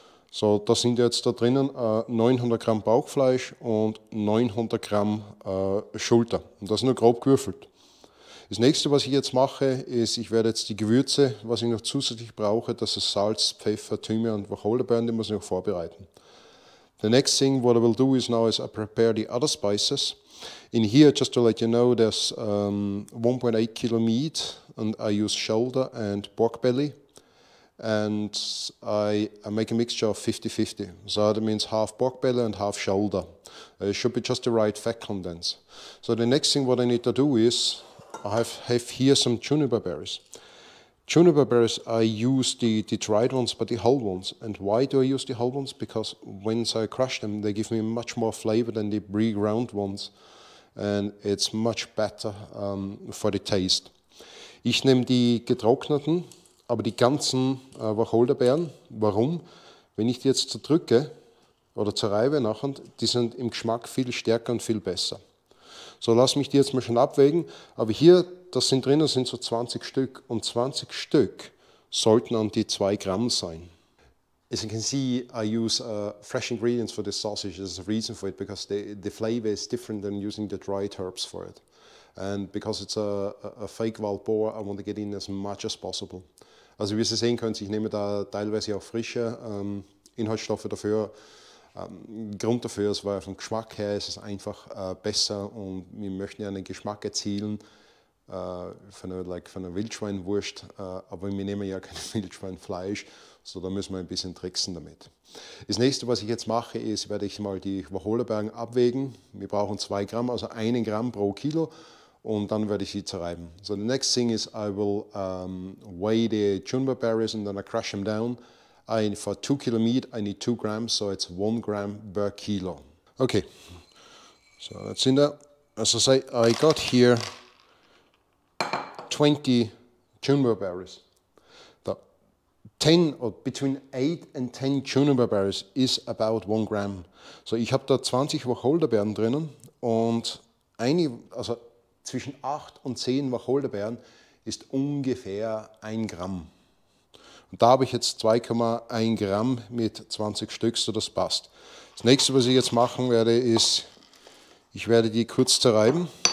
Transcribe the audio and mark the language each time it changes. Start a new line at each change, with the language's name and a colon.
German: So, da sind jetzt da drinnen 900 Gramm Bauchfleisch und 900 Gramm Schulter. Und das ist nur grob gewürfelt. Das nächste, was ich jetzt mache, ist, ich werde jetzt die Gewürze, was ich noch zusätzlich brauche, das ist Salz, Pfeffer, Thymian und Wacholderbeeren, die muss ich noch vorbereiten.
English: The next thing, what I will do is now is I prepare the other spices. In here, just to let you know, there's 1.8 kilo meat and I use shoulder and pork belly. And I make a mixture of 50-50. So that means half pork belly and half shoulder. It should be just the right fat contents. So the next thing what I need to do is, I have here some juniper berries. Juniper berries, I use the dried ones, but the whole ones. And why do I use the whole ones? Because once I crush them, they give me much more flavor than the pre-ground ones. And it's much better for the taste.
German: Ich nehme die getrockneten, aber die ganzen Wacholderbeeren. Warum? Wenn ich die jetzt zerdrücke oder zerreibe nachher, die sind im Geschmack viel stärker und viel besser. So, lass mich die jetzt mal schon abwägen. Aber hier, das sind drin, das sind so 20 Stück. Und 20 Stück sollten an die 2 Gramm sein.
English: As you can see, I use fresh ingredients for the sausage. There's a reason for it, because the flavor is different than using the dried herbs for it. And because it's a fake wild boar, I want to get in as much as possible.
German: Also, wie Sie sehen können, ich nehme da teilweise auch frische Inhaltsstoffe dafür. Grund dafür ist, weil vom Geschmack her ist es einfach besser und wir möchten ja einen Geschmack erzielen von einer Wildschweinwurst, aber wir nehmen ja kein Wildschweinfleisch, so da müssen wir ein bisschen tricksen damit. Das nächste, was ich jetzt mache, ist, werde ich mal die Wacholderbeeren abwägen. Wir brauchen 2 Gramm, also 1 Gramm pro Kilo, und dann werde ich sie zerreiben.
English: So the next thing is, I will weigh the juniper berries and then I crush them down. For 2 kilo meat, I need 2 grams, so it's 1 gram per kilo. Okay, so that's in there. As I say, I got here 20 juniper berries. The 10, or between 8 and 10 juniper berries is about 1 gram.
German: So ich habe da 20 Wacholderbeeren drinnen und also zwischen 8 und 10 Wacholderbeeren ist ungefähr 1 Gramm. Und da habe ich jetzt 2,1 Gramm mit 20 Stück, so das passt. Das nächste, was ich jetzt machen werde, ist, ich werde die kurz zerreiben.